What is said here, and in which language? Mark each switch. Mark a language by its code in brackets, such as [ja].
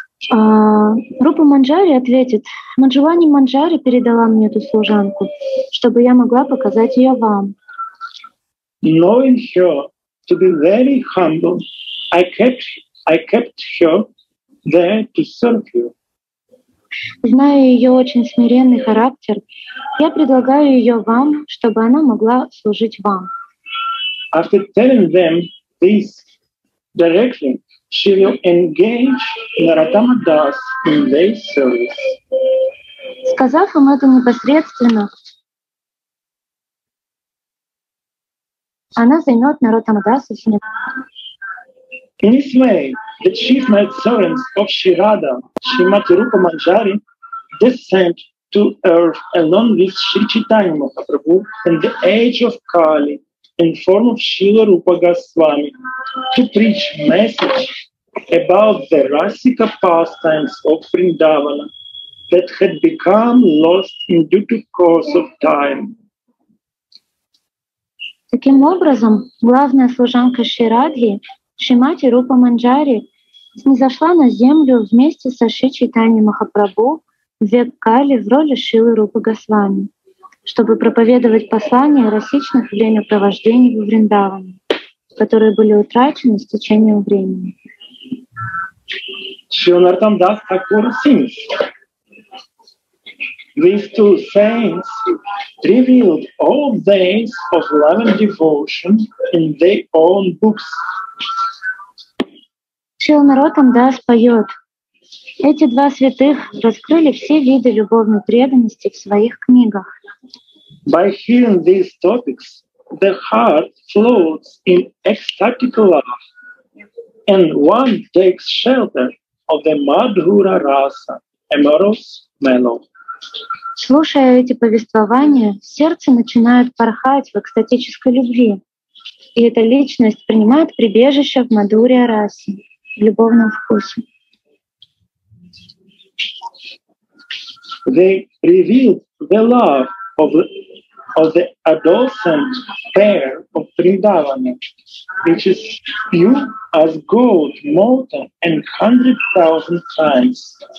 [ru] Рупа Манджари ответит. Манджулани Манджари передала мне эту служанку, чтобы я могла показать ее вам. [en] Knowing her to be very humble, I kept her there to serve you. [ru] Зная ее очень смиренный характер, я предлагаю ее вам, чтобы она могла служить вам. [en] After telling them this directly, she will engage Narottama Das in their service. [ru] Сказав им это непосредственно, она займет Narottama Das в себе. [en] In this way, the chief maid servants of Shri Radha, Srimati Rupa Manjari, descend to earth along with Shri Chaitanya Mahaprabhu in the age of Kali in form of Srila Rupa Goswami to preach message about the rasika pastimes of Vrindavana that had become lost in due to course of time. [ru] Таким образом, главная служанка Шри Радхи Шримати Рупа Манджари снизошла на землю вместе со Шри Чайтаньей Махапрабху в век Кали в роли Шилы Рупы Госвами, чтобы проповедовать послания расичных времяпровождений во Вриндаване, которые были утрачены с течением времени. Шрила Нартам Дас Такур Синс. [en] These two saints revealed all days of love and devotion in their own books. [ru] Шрила Нартам Дас поет. Эти два святых раскрыли все виды любовной преданности в своих книгах. [en] By hearing these topics, the heart floats in ecstatic love, and one takes shelter of the Madhura Rasa, amorous mellow. [ru] Слушая эти повествования, сердце начинает порхать в экстатической любви, и эта личность принимает прибежище в Мадхуре Расе, в любовном вкусе. [en] They revealed the love of the adolescent pair of Vrindavana, which is pure as gold, molten, and 100,000 times.